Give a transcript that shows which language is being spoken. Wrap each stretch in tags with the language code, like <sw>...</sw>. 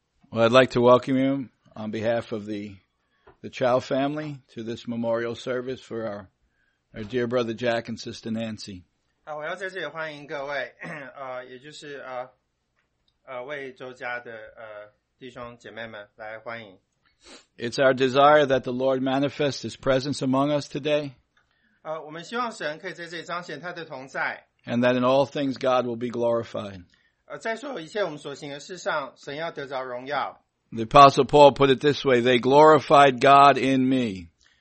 <en>Well, I'd like to welcome you on behalf of the Chow family to this memorial service for our dear brother Jack and sister Nancy.</en> <zh>我要在这里欢迎各位，也就是为周家的弟兄姐妹们来欢迎。</zh> <en>It's our desire that the Lord manifest His presence among us today.</en> <zh>我们希望神可以在这里彰显他的同在。</zh> <en>And that in all things God will be glorified.</en> <zh>在所有一切我们所行的事上，神要得着荣耀。</zh> <en>The Apostle Paul put it this way: They glorified God in me.</en>